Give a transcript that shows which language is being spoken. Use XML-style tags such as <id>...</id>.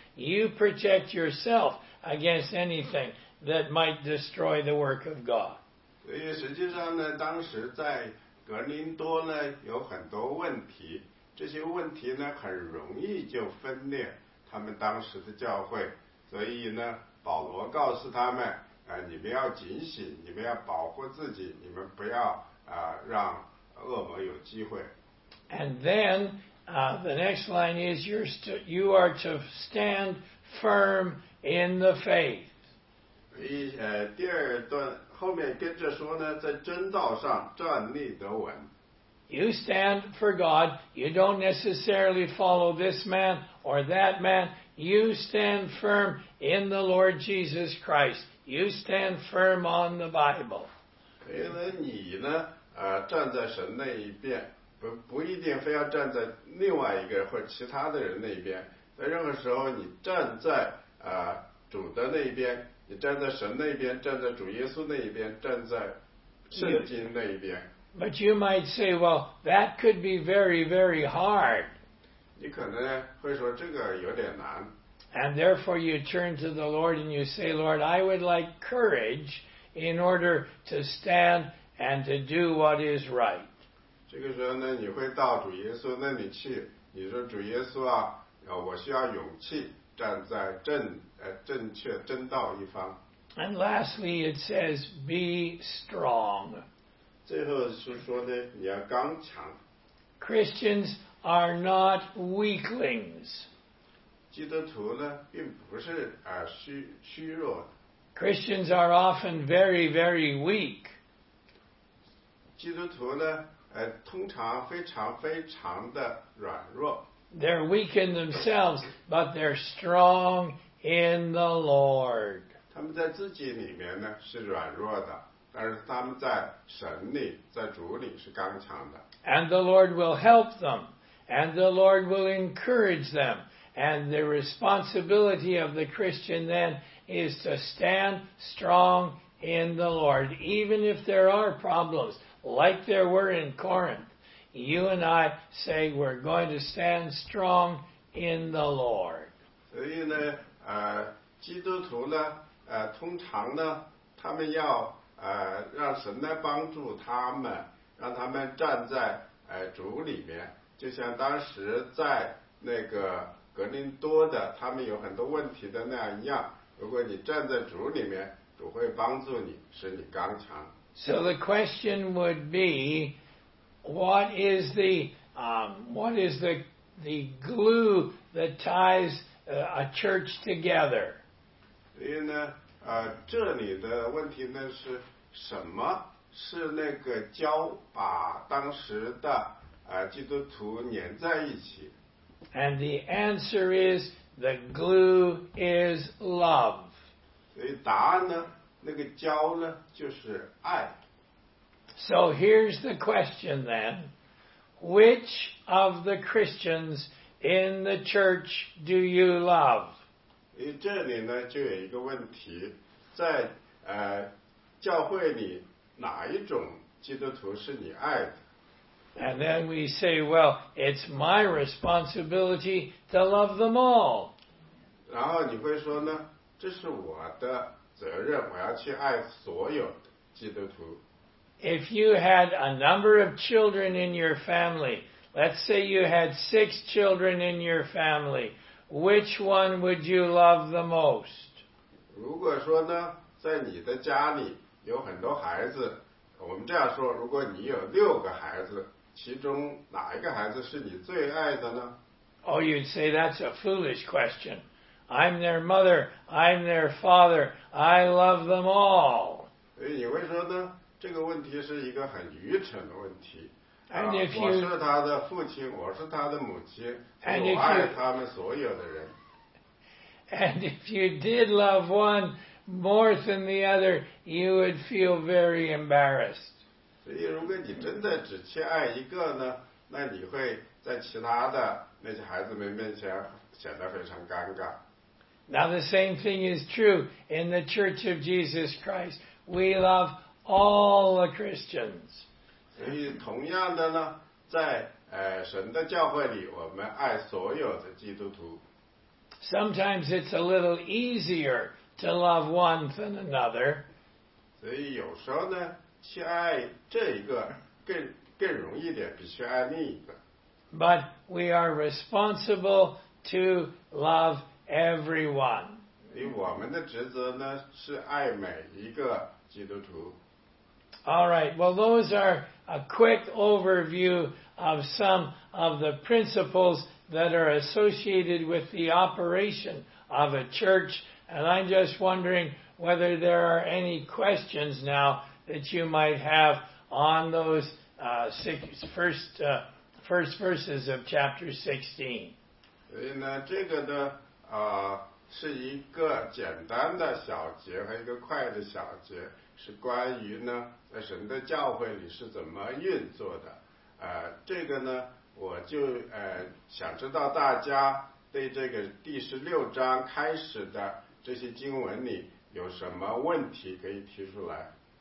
<en>You protect yourself against anything that might destroy the work of God.</en> <zh>所以实际上呢，当时在格林多呢有很多问题，这些问题呢很容易就分裂他们当时的教会，所以呢保罗告诉他们，你们要警醒，你们要保护自己，你们不要让恶魔有机会。</zh> <en>And then the next line is you are to stand firm in the faith.</en> <zh>第二段后面跟着说呢，在真道上站立得稳。</zh> <en>You stand for God. You don't necessarily follow this man or that man. You stand firm in the Lord Jesus Christ. You stand firm on the Bible.</en> <zh>所以呢，你呢，站在神那一边，不一定非要站在另外一个或其他的人那边。在任何时候，你站在主的那边，你站在神那边，站在主耶稣那一边，站在圣经那一边。</zh> <en>But you might say, well, that could be very, very hard.</en> <zh>你可能会说这个有点难。</zh> <en>And therefore you turn to the Lord and you say, Lord, I would like courage in order to stand and to do what is right.</en> <zh>这个时候呢，你会到主耶稣那里去，你说主耶稣啊，我需要勇气站在正确正道一方。</zh> <en>And lastly, it says, be strong.</en> <zh>最后是说呢，你要刚强。</zh> <en>Christians are not weaklings.</en> <zh>基督徒呢并不是虚弱的。</zh> <en>Christians are often very, very weak.</en> <zh>基督徒呢通常非常非常的软弱。</zh> <en>They're weak in themselves, but they're strong in the Lord.</en> <zh>他们在自己里面呢是软弱的，但是他们在神里，在主里是刚强的。</zh> <en>And the Lord will help them, and the Lord will encourage them. And the responsibility of the Christian then is to stand strong in the Lord. Even if there are problems, like there were in Corinth, you and I say we're going to stand strong in the Lord.</en> <zh>所以呢，基督徒呢，通常呢，他们要让神来帮助他们，让他们站在主里面，就像当时在那个格林多的他们有很多问题的那样一样，如果你站在主里面，主会帮助你，使你刚强。</zh> <en>So the question would be, what is the glue that ties a church together?</en> <zh>所以呢，这里的问题呢是什么？是那个胶把当时的基督徒粘在一起。</zh> <en>And the answer is the glue is love.</en> <zh>所以答案呢，那个胶呢就是爱。</zh> <en>So here's the question then. Which of the Christians in the church do you love?</en> <zh>这里呢就有一个问题，在教会里哪一种基督徒是你爱的？</zh> <en>And then we say, well, it's my responsibility to love them all.</en> <zh>然后你会说呢，这是我的责任，我要去爱所有的基督徒。</zh> <en>If you had a number of children in your family, let's say you had 6 children in your family, which one would you love the most?</en> <zh>如果说呢，在你的家里有很多孩子，我们这样说，如果你有6个孩子，其中哪一个孩子是你最爱的呢？</zh> <en>Oh, you'd say that's a foolish question. I'm their mother, I'm their father, I love them all.</en> <zh>所以你会说呢？这个问题是一个很愚蠢的问题。</zh> <en>And if you,</en> <zh>我是他的父亲，我是他的母亲，我爱他们所有的人。</zh> <en>And if you did love one more than the other, you would feel very embarrassed.</en> <zh>所以如果你真的只去爱一个呢，那你会在其他的那些孩子们面前显得非常尴尬。</zh> <en>Now the same thing is true in the Church of Jesus Christ. We love all the Christians.</en> <zh>所以同样的呢，在神的教会里，我们爱所有的基督徒。</zh> <en>Sometimes it's a little easier to love one than another.</en> <zh>所以有时候呢，去爱这一个更容易一点，比去爱另一个。</zh> <en>But we are responsible to love everyone.</en> <zh>所以我们的职责呢，是爱每一个基督徒。</zh> <en>All right, well, those are a quick overview of some of the principles that are associated with the operation of a church. And I'm just wondering whether there are any questions now that you might have on those first verses of chapter 16.</en> <zh>所以呢，这个呢，是一个简单的小节和一个快的小节，是关于呢在神的教会里是怎么运作的。这个呢，我就想知道大家对这个第16章开始的这些经文里有什么问题可以提出来。</zh>